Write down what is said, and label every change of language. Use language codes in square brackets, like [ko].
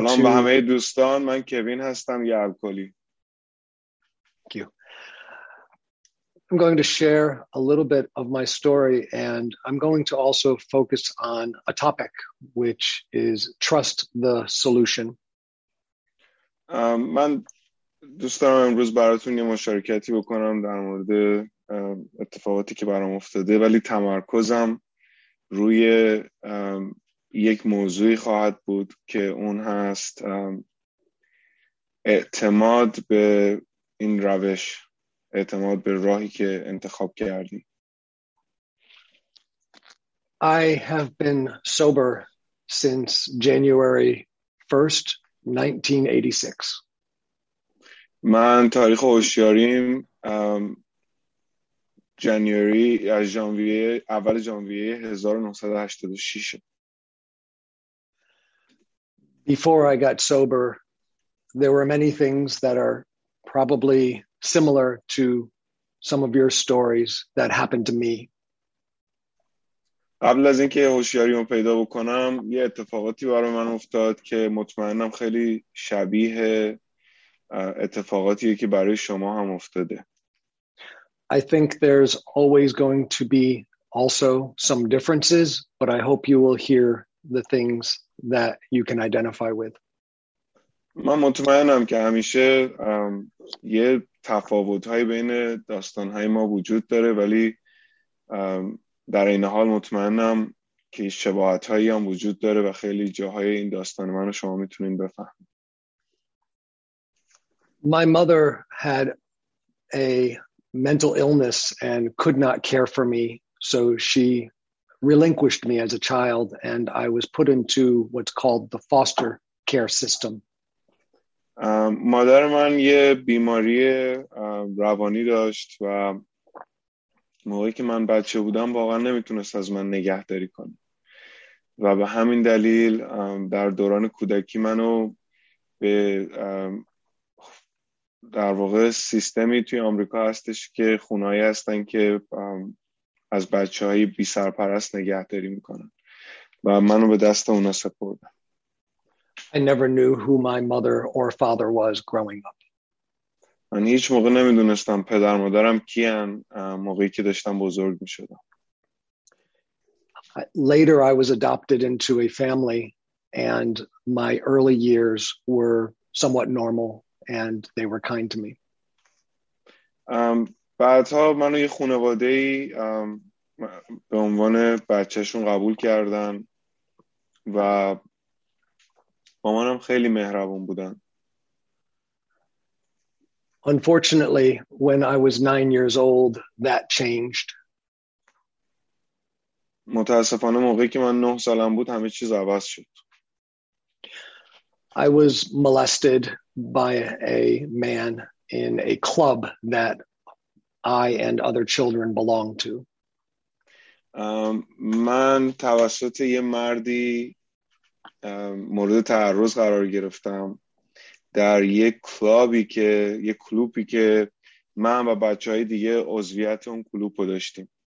[fa] سلام به همه دوستان. من کوین هستم، یه الکلی. [en] Thank you. I'm going to share a little bit of my story, and I'm going to also focus on a topic, which is trust the solution. [fa] من دوست دارم امروز براتون یه مشارکتی بکنم در مورد اتفاقاتی که برام افتاده، ولی تمرکزم روی یک موضوعی خواهد بود که اون هست اعتماد به این روش، اعتماد به راهی که انتخاب کردیم. [en] I have been sober since January 1st, 1986. [fa] من تاریخ هوشیاریم جنوری از ژانویه، اول ژانویه 1986. [en] Before I got sober, there were many things that are probably similar to some of your stories that happened to me. [fa] قبل از اینکه هوشیاریمو پیدا بکنم، یه اتفاقاتی برای من افتاد که مطمئنم خیلی شبیه اتفاقاتیه که برای شما هم افتاده. [en] I think there's always going to be also some differences, but I hope you will hear the things that you can identify with. [fa] من مطمئنم که همیشه یه تفاوت‌های بین داستان‌های ما وجود داره، ولی در این حال مطمئنم که شباهت‌هایی هم وجود داره و خیلی جاهای این داستان منو شما میتونین بفهمید. [en] My mother had a mental illness and could not care for me, so she relinquished me as a child and I was put into what's called the foster care system. [fa] مادر من یه بیماری روانی داشت و موقعی که من بچه بودم واقعا نمیتونست از من نگهداری کنه و به همین دلیل در دوران کودکی منو به در واقع سیستمی توی آمریکا هستش که خونه‌هایی هستن که از بچه‌های بی سرپرست نگهداری میکنن و منو به دست اونا سپردن. [en] I never knew who my mother or father was growing up. [fa] من هیچ موقع نمیدونستم پدر مادرم کیان موقعی که داشتم بزرگ میشدم. [en] Later I was adopted into a family and my early years were somewhat normal and they were kind to me. [fa] بعدها منو یه خانواده ای به عنوان بچهشون قبول کردن و مامانم خیلی مهربون بودن. [en] Unfortunately, when I was 9 years old, that changed. [fa] متاسفانه موقعی که من 9 سالم بود همه چیز عوض شد. [en] I was molested by a man in a club that I and other children belonged to. [fa] من توسط یه مردی مورد تعرض قرار گرفتم در یک کلابی که یک کلوبی که من و بچه‌های دیگه عضویت اون کلوب رو داشتیم.